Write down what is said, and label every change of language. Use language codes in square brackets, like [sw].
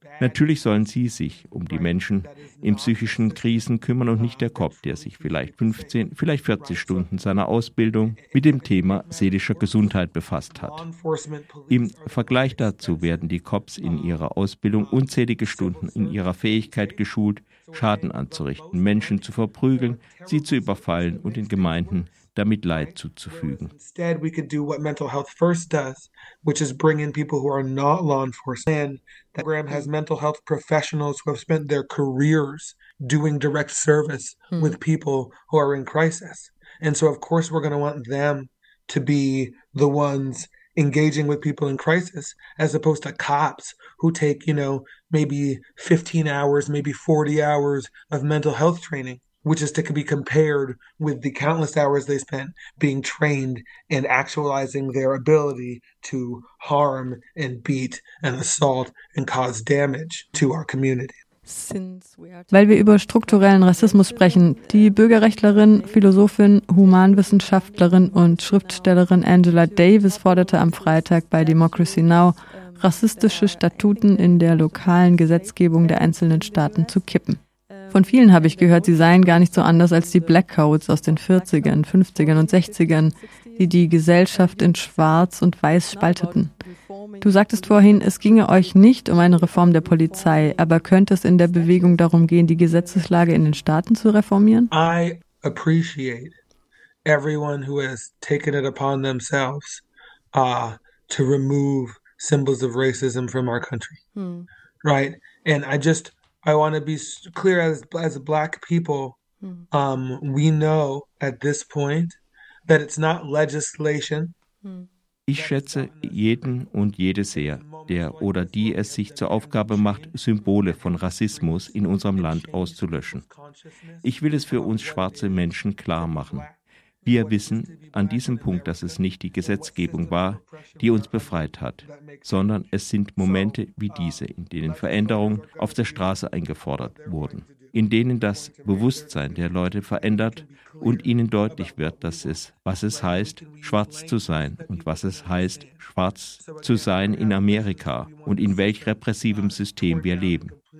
[de] Natürlich sollen sie sich um die Menschen in psychischen Krisen kümmern und nicht der Kopf, der sich vielleicht 15, vielleicht 40 Stunden seiner Ausbildung mit dem Thema seelischer Gesundheit befasst hat. Im Vergleich dazu werden die Cops in ihrer Ausbildung unzählige Stunden in ihrer Fähigkeit geschult, Schaden anzurichten, Menschen zu verprügeln, sie zu überfallen und den Gemeinden damit Leid zuzufügen. [en] Instead we could do what mental health first does, which is bring in people who are not law enforcement. The program has mental health professionals who have spent their careers doing direct service with people who are in crisis. And so of course we're going to want them to be the ones engaging with people in crisis, as opposed to cops who take, you know, maybe 15 hours, maybe 40 hours of mental health training, which is to be compared with the countless hours they spent being trained and actualizing their ability to harm and beat and assault and cause damage to our community. [de] Weil wir über strukturellen Rassismus sprechen, die Bürgerrechtlerin, Philosophin, Humanwissenschaftlerin und Schriftstellerin Angela Davis forderte am Freitag bei Democracy Now!, rassistische Statuten in der lokalen Gesetzgebung der einzelnen Staaten zu kippen. Von vielen habe ich gehört, sie seien gar nicht so anders als die Black Codes aus den 40ern, 50ern und 60ern, die die Gesellschaft in Schwarz und Weiß spalteten. Du sagtest vorhin, es ginge euch nicht um eine Reform der Polizei, aber könnte es in der Bewegung darum gehen, die Gesetzeslage in den Staaten zu reformieren? [en] I appreciate everyone who has taken it upon themselves to remove symbols of racism from our country. Right? And I want to be clear, as black people, we know at this point that it's not legislation. [de] Ich schätze jeden und jede sehr, der oder die es sich zur Aufgabe macht, Symbole von Rassismus in unserem Land auszulöschen. Ich will es für uns schwarze Menschen klar machen. Wir wissen an diesem Punkt, dass es nicht die Gesetzgebung war, die uns befreit hat, sondern es sind Momente wie diese, in denen Veränderungen auf der Straße eingefordert wurden, in denen das Bewusstsein der Leute verändert und ihnen deutlich wird, dass es, was es heißt, schwarz zu sein und was es heißt, schwarz zu sein in Amerika und in welch repressivem System wir leben.